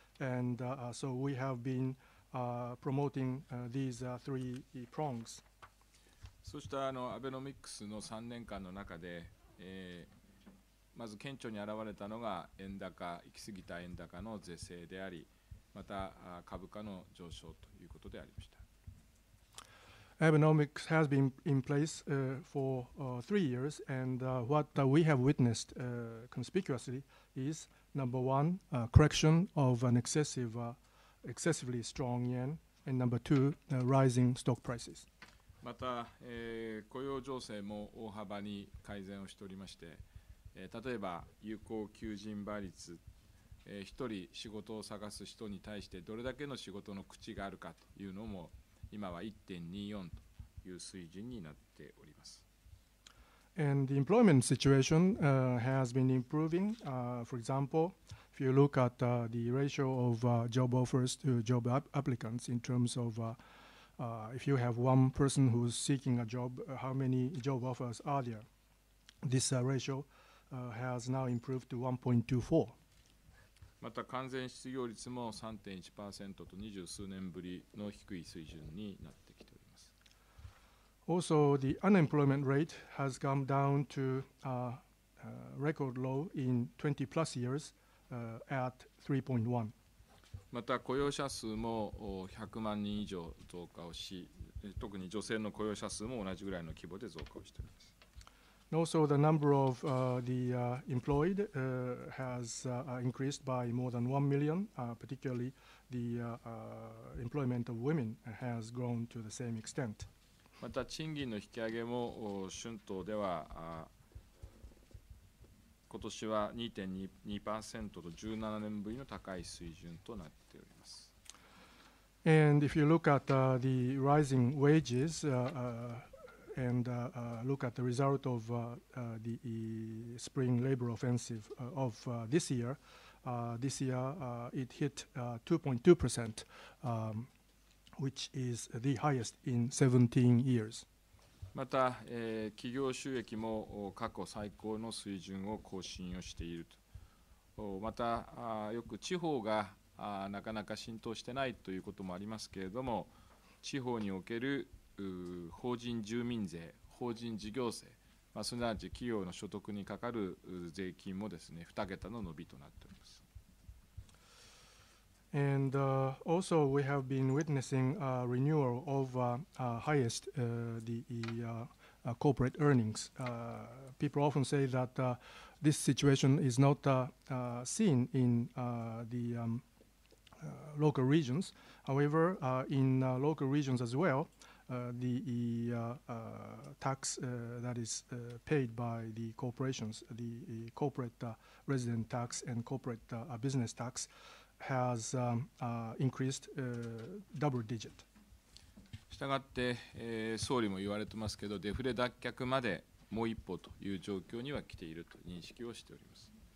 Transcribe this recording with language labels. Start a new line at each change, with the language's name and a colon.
English: And so we have beenpromoting these three prongs.
Japanese: そうしたアベノミクスの3年間の中で、まず顕著に現れたのが円高、行き過ぎた円高の是正であり、また株価の上昇ということでありました。
English: Abenomics has been in place for 3 years, and what we have witnessed conspicuously is number one, correction of an excessively strong yen, and number two, rising stock prices.
Japanese: また、雇用情勢も大幅に改善をしておりまして、例えば有効求人倍率、一人仕事を探す人に対してどれだけの仕事の口があるかというのも今は 1.24 という水準になっております。
English: And the employment situation has been improving. For example,If you look at the ratio of job offers to job applicants in terms of If you have one person who is seeking a job, how many job offers are there? This ratio has now improved to 1.24.
Japanese: また完全失業率も 3.1% と20数年ぶりの低い水準になってきております。
English: Also, the unemployment rate has come down to a record low in 20 plus years at 3.1.
Japanese: また雇用者数も100万人以上増加をし、特に女性の雇用者数も同じぐらいの規模で増加をしています。
English: Also, the number of the employed has increased by more than 1 million, particularly the employment of women has grown to the same extent.
Japanese: また賃金の引き上げも春闘では今年は 2.2% と17年ぶりの高い水準となっております。
English: And if you look at the rising wages and look at the result of the spring labor offensive of this year, this year it hit 2.2%, which is the highest in 17 years.
Japanese: また、企業収益も過去最高の水準を更新をしていると。また、よく地方がなかなか浸透してないということもありますけれども、地方における法人住民税、法人事業税、まあ、すなわち企業の所得にかかる税金もですね、2桁の伸びとなっております。
English: And also, we have been witnessing a renewal of highest the corporate earnings. People often say that this situation is not seen in the local regions. However, in local regions as well, the tax that is paid by the corporations, the corporate resident tax and corporate business tax. Has increased double digit.
Japanese: したがって、総理も言われてますけど、デフレ脱却までもう一歩という状況には来ていると認識をしております。